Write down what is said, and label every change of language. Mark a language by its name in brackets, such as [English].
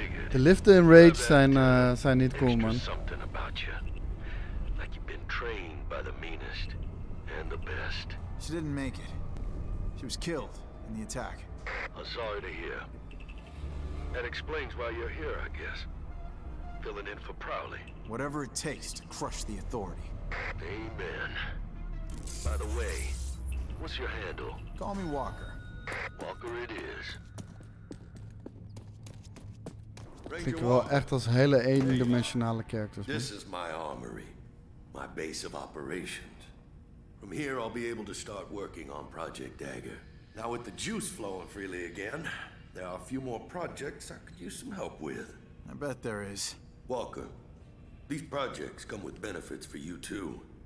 [Dutch] De liften in Rage zijn niet cool, man. [English] Something about you. Like you've been trained by the meanest and the best. She didn't make it. She was killed in the attack. I'm sorry to hear. That explains why you're here, I guess. Filling in for Prowley. Whatever it takes to crush the authority. Amen. By the way, what's your handle? Call me Walker. Walker it is. [Dutch] Ik vind het wel echt als hele eendimensionale characters. [English] This is my armory, my base of operations. From here I'll be able to start working on Project Dagger. Now with the juice flowing freely again, there are a few more projects I could use some help with. I bet there is. Walker, these projects come with benefits for you too.